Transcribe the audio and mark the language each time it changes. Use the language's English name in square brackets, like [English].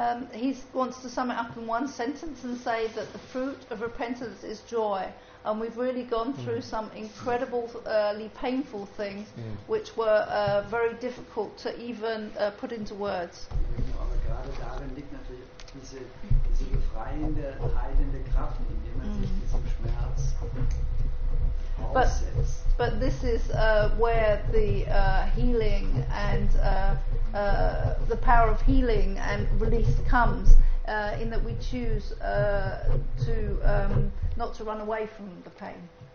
[English] He wants to sum it up in one sentence and say that the fruit of repentance is joy. And we've really gone through some incredibly painful things, which were very difficult to even put into words. [German] Aber gerade darin liegt natürlich diese befreiende, heilende Kraft, indem man sich diesem Schmerz. [English] But this is where the healing and the power of healing and release comes, in that we choose not to run away from the pain.